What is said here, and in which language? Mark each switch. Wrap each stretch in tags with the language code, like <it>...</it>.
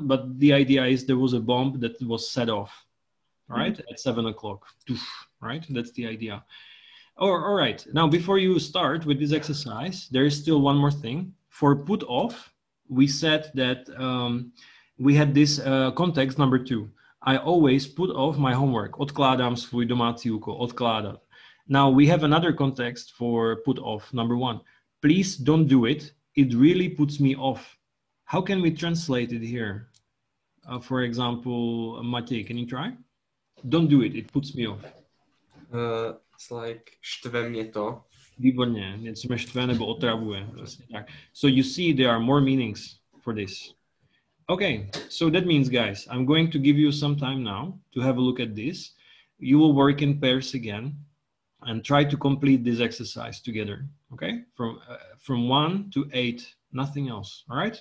<en>But the idea is there was a bomb that was set off, right? At 7 o'clock, right? That's the idea. All right, now before you start with this exercise, there is still one more thing. For put off, we said that we had this context number 2. I always put off my homework.</en> <cs>Odkládám svůj domácí úkol. Odkládat.</cs> <en>Now we have another context for put off. Number 1. Please don't do it. It really puts me off. How can we translate it here? For example, Matěj, can you try? Don't do it. It puts me off. It's like</en> <cs>štve mě to. Výborně. Něco mě štve nebo otravuje. Vlastně tak.</cs> <en>So you see there are more meanings for this. Okay, so that means, guys, I'm going to give you some time now to have a look at this. You will work in pairs again and try to complete this exercise together, okay? From 1 to 8, nothing else, all right?</en>